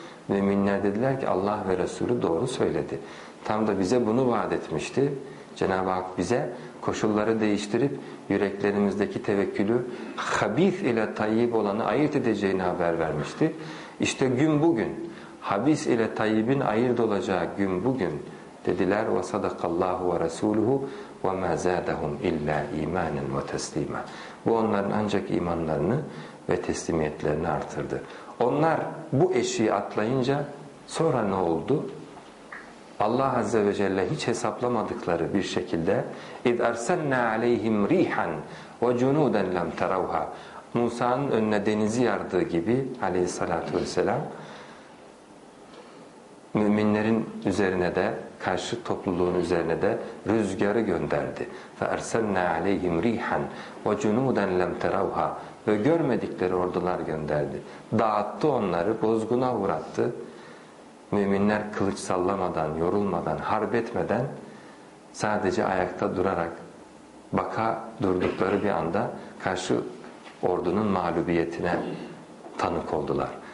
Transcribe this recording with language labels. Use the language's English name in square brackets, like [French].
[Turkish] Müminler dediler ki Allah ve Resulü doğru söyledi. Tam da bize bunu vaat etmişti. Cenab-ı Hak bize koşulları değiştirip yüreklerimizdeki tevekkülü habis ile tayyib olanı ayırt edeceğini haber vermişti. İşte gün bugün, habis ile tayyibin ayırt olacağı gün bugün dediler. [Arabic] وَصَدَقَ اللّٰهُ وَرَسُولُهُ وَمَا زَادَهُمْ اِلَّا اِيمَانًا وَتَسْلِيمًا [Turkish] bu onların ancak imanlarını ve teslimiyetlerini artırdı. Onlar bu eşiği atlayınca sonra ne oldu? Allah Azze ve Celle hiç hesaplamadıkları bir şekilde [Arabic] اِذْ اَرْسَلْنَا عَلَيْهِمْ رِيحًا وَجُنُودًا لَمْ تَرَوْهَا [Turkish] Musa'nın önüne denizi yardığı gibi aleyhissalatü vesselam müminlerin üzerine de karşı topluluğun üzerine de rüzgarı gönderdi. [Arabic] فَاَرْسَلْنَا عَلَيْهِمْ رِيحًا وَجُنُودًا لَمْ تَرَوْهَا [Turkish] ve görmedikleri ordular gönderdi. Dağıttı onları, bozguna uğrattı. Müminler kılıç sallamadan, yorulmadan, harp etmeden sadece ayakta durarak baka durdukları bir anda karşı ordunun mağlubiyetine tanık oldular.